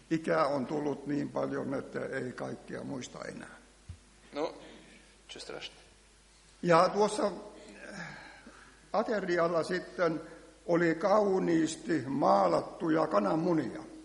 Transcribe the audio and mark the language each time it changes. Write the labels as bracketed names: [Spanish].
[Finnish] Ikä on tullut niin paljon, että ei kaikkea muista enää. [Russian] No, что страшно. [Finnish] Ja tuossa aterialla sitten oli kauniisti maalattuja kananmunia.